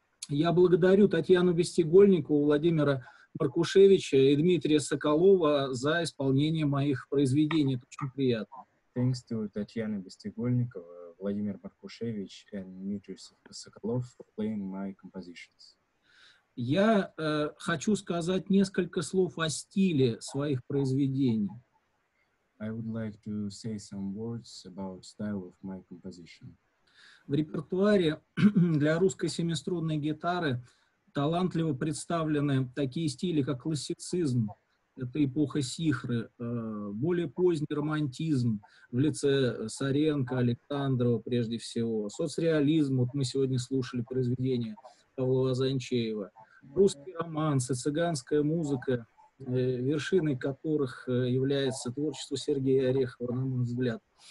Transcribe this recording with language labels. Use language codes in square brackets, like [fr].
[ru] Я благодарю Татьяну Бестигольникову, Владимира Маркушевича и Дмитрия Соколова за исполнение моих произведений. Это очень приятно. [en] Thanks to Tatiana Bestigolnikova, Vladimir Markushevich and Dmitry Sokolov for playing my compositions. [ru] Я хочу сказать несколько слов о стиле своих произведений. [en] I would like to say some words about style of my composition. [ru] В репертуаре для русской семиструнной гитары талантливо представлены такие стили, как классицизм, это эпоха Сихры, более поздний романтизм в лице Саренко, Александрова прежде всего, соцреализм, вот мы сегодня слушали произведение Павла Вазанчеева, русские романсы, цыганская музыка, вершиной которых является творчество Сергея Орехова, на мой взгляд.